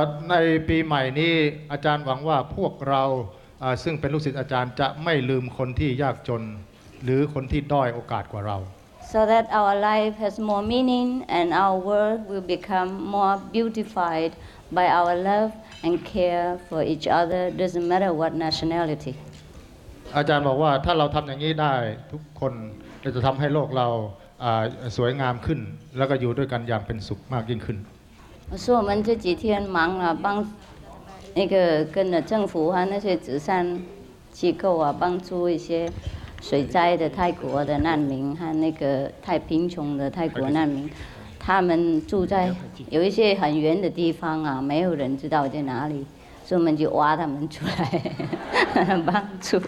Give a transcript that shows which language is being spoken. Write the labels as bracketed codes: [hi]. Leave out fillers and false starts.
[th] ในปีใหม่นี้อาจารย์หวังว่าพวกเราซึ่งเป็นลูกศิษย์อาจารย์จะไม่ลืมคนที่ยากจนหรือคนที่ด้อยโอกาสกว่าเรา [en] so that our life has more meaning and our world will become more beautified by our love and care for each other, doesn't matter what nationality. [th] อาจารย์บอกว่าถ้าเราทำอย่างนี้ได้ทุกคนจะทำให้โลกเราสวยงามขึ้นแล้วก็อยู่ด้วยกันอย่างเป็นสุขมากยิ่งขึ้น [zh] 所以我们这几天忙了，帮那个跟着政府和那些慈善机构啊，帮助一些水灾的泰国的难民和那个太贫穷的泰国难民，他们住在有一些很远的地方啊，没有人知道在哪里，所以我们就挖他们出来帮助。